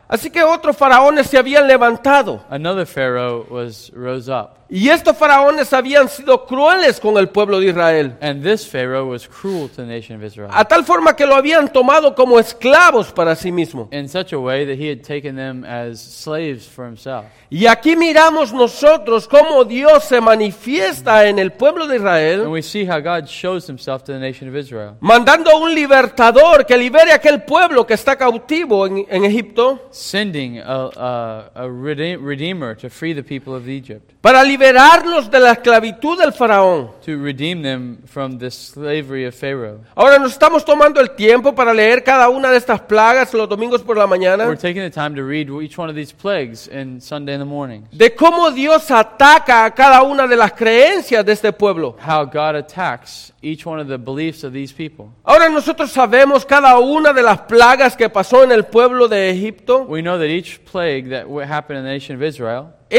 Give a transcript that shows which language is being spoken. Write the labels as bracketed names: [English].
[Spanish] Así que otros faraones se habían levantado. [English] Another pharaoh was rose up. [Spanish] Y estos faraones habían sido crueles con el pueblo de Israel. [English] And this pharaoh was cruel to the nation of Israel. [Spanish] A tal forma que lo habían tomado como esclavos para sí mismo. [English] In such a way that he had taken them as slaves for himself. [Spanish] Y aquí miramos nosotros cómo Dios se manifiesta en el pueblo de Israel. [English] And we see how God shows himself to the nation of Israel. [Spanish] Mandando un libertador que libere aquel pueblo que está cautivo en Egipto. [English] Sending a redeemer to free the people of Egypt. [Spanish] Para liberarlos de la esclavitud del faraón. [English] To redeem them from the slavery of Pharaoh. [Spanish] Ahora nos estamos tomando el tiempo para leer cada una de estas plagas los domingos por la mañana. [English] We're taking the time to read each one of these plagues in Sunday in the morning. [Spanish] De cómo Dios ataca a cada una de las creencias de este pueblo. [English] How God attacks each one of the beliefs of these people. [Spanish] Ahora nosotros sabemos cada una de las plagas que pasó en el pueblo de Egipto. [English] We know that each plague that happened in the nation of Israel.